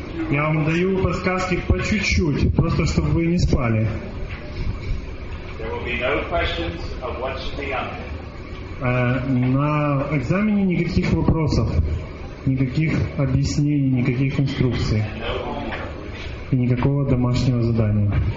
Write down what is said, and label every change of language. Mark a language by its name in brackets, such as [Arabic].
[Russian] Я вам даю подсказки по чуть-чуть, просто чтобы вы не спали. [English] There will be no questions of what should be done. [Russian] На экзамене никаких вопросов, никаких объяснений, никаких инструкций. И никакого домашнего задания.